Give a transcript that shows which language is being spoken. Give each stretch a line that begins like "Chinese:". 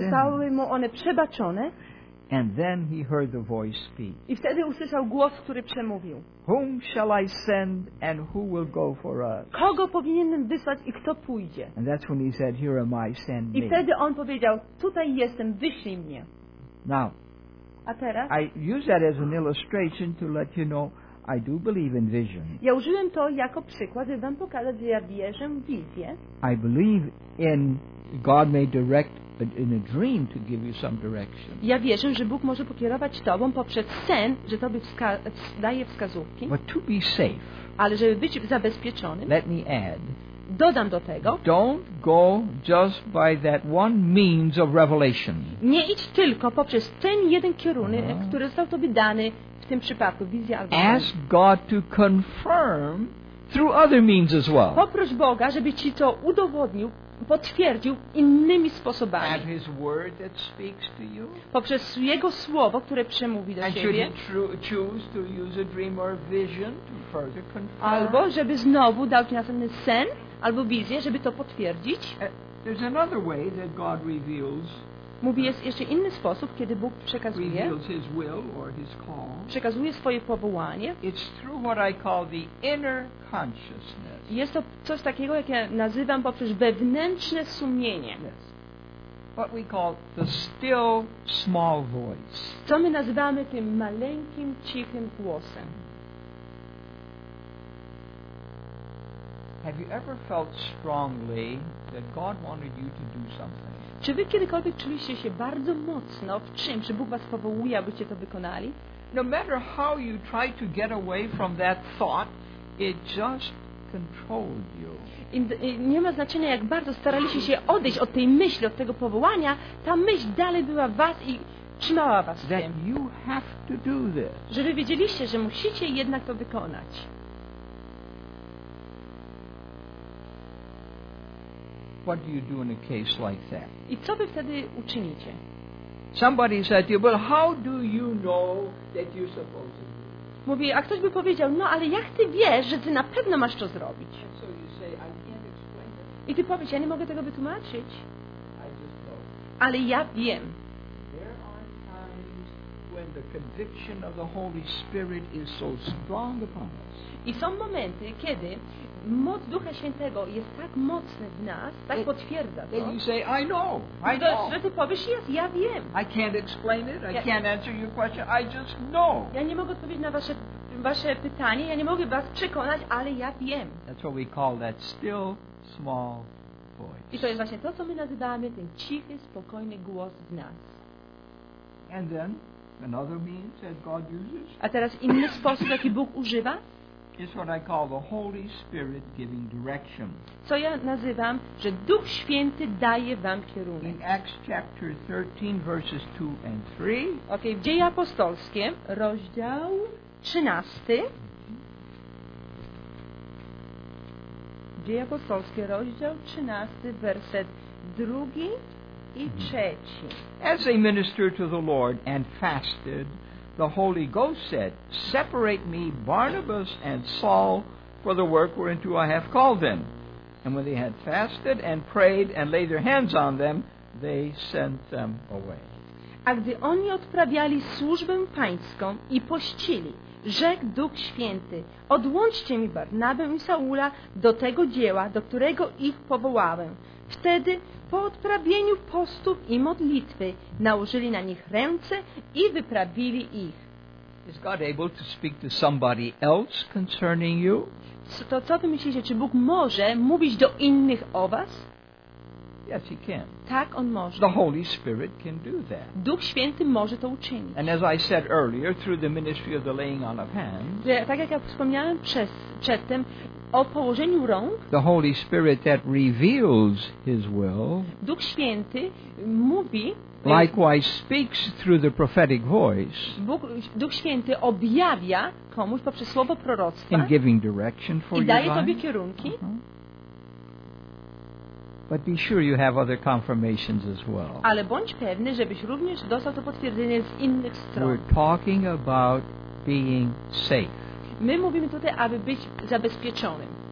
Polish: Zostały mu one przebaczone.
English: And then he heard the voice speak.
Polish: I wtedy usłyszał głos, który przemówił.
English: Whom shall I send and who will go for us?
Polish: Kogo powinienem wysłać i kto pójdzie?
English: And that's when he said, here am I, send me.
Polish: I wtedy on powiedział, tutaj jestem, wyślij mnie.
English: Now,
Polish: a teraz?
English: I use that as an illustration to let you know I do believe in vision.
Polish: Ja użyłem to jako przykład, żeby wam pokazać, że ja wierzę w wizję.
English: I believe in God may direct in a dream to give you some direction.
Polish: Ja wierzę, że Bóg może pokierować tobą poprzez sen, że tobie daje wskazówki.
English: But to be safe.
Polish: Ale żeby być zabezpieczonym.
English: Let me add.
Polish: Dodam do tego.
English: Don't go just by that one means of revelation.
Polish: Nie idź tylko poprzez ten jeden kierunek, który został tobie dany w tym przypadku, wizja albo.
English: Ask God to confirm through other means as well.
Polish: Poproś Boga, żeby ci to udowodnił, potwierdził innymi sposobami.
English: And his word that speaks to you.
Polish: Poprzez jego słowo, które przemówi do ciebie.
English: Choose to use a dream or vision to further confirm.
Polish: Albo żeby znowu dał ci następny sen albo wizję, żeby to potwierdzić.
English: There's another way that God reveals.
Polish: Mówi, jest jeszcze inny sposób, kiedy Bóg przekazuje,
English: his will or his call,
Polish: przekazuje swoje powołanie.
English: It's through what I call the inner consciousness.
Polish: Jest to coś takiego, jak ja nazywam poprzez wewnętrzne sumienie.
English: Yes. What we call the still, small voice.
Polish: Co my nazywamy tym maleńkim, cichym głosem.
English: Have you ever felt strongly that God wanted you to do something?
Polish: Czy wy kiedykolwiek czuliście się bardzo mocno w czymś, że Bóg was powołuje, abyście to wykonali?
English: No matter how you try to get away from that thought, it just controlled you.
Polish: I nie ma znaczenia, jak bardzo staraliście się odejść od tej myśli, od tego powołania, ta myśl dalej była w was i trzymała was w tym.
English: You have to do this.
Polish: Że wy wiedzieliście, że musicie jednak to wykonać.
English: What do you do in a case like that?
Polish: I co wy wtedy uczynicie?
English: Somebody said to you, well, how do you know that you're supposed to do?
Polish: Mówi, a ktoś by powiedział, no ale jak ty wiesz, że ty na pewno masz to zrobić?
English: And so you say, I can't explain it.
Polish: I ty powiesz, ja nie mogę tego wytłumaczyć.
English: I just know.
Polish: Ale ja wiem.
English: There are times when the conviction of the Holy Spirit is so strong upon us.
Polish: I są momenty, kiedy moc Ducha Świętego jest tak mocna w nas, tak it, potwierdza to.
English: Then you say, I know, I
Polish: że ty powiesz, jest, ja wiem.
English: I can't explain it, I can't answer your question, I just know.
Polish: Ja nie mogę odpowiedzieć na wasze pytanie, ja nie mogę was przekonać, ale ja wiem.
English: That's what we call that still, small voice.
Polish: I to jest właśnie to, co my nazywamy ten cichy, spokojny głos w nas.
English: And then, another means that God uses.
Polish: A teraz inny sposób, jaki Bóg używa.
English: Is what I call the Holy Spirit giving direction.
Polish: Co ja nazywam, że Duch Święty daje wam kierunek.
English: In Acts chapter 13, verses 2 and 3.
Polish: Okay, w Dziejach Apostolskie, rozdział 13. Dziejach Apostolskie, rozdział 13, werset 2 i 3.
English: As they ministered to the Lord and fasted, the Holy Ghost said, separate me, Barnabas and Saul, for the work whereunto I have called them. And when they had fasted and prayed and laid their hands on them, they sent them away.
Polish: A gdy oni odprawiali służbę pańską i pościli, rzekł Duch Święty, odłączcie mi Barnabę i Saula do tego dzieła, do którego ich powołałem. Wtedy po odprawieniu postów i modlitwy nałożyli na nich ręce i wyprawili ich.
English: Is God able to speak to somebody else concerning you?
Polish: To co wy myślicie, czy Bóg może mówić do innych o was?
English: Yes, he can.
Polish: Tak, on może.
English: The Holy Spirit can do that.
Polish: Duch Święty może to uczynić.
English: And as I said earlier, through the ministry of the laying on of hands.
Polish: Tak jak ja wspomniałem przedtem, o położeniu rąk.
English: The Holy Spirit that reveals his will.
Polish: Duch Święty mówi.
English: Likewise speaks through the prophetic voice.
Polish: Duch Święty objawia komuś poprzez słowo proroctwa.
English: In giving direction for
Polish: i daje tobie kierunki.
English: But be sure you have other confirmations as well.
Polish: Ale bądź pewny, żebyś również dostał to potwierdzenie z innych stron.
English: We're talking about being safe.
Polish: My mówimy tutaj, aby być zabezpieczonym.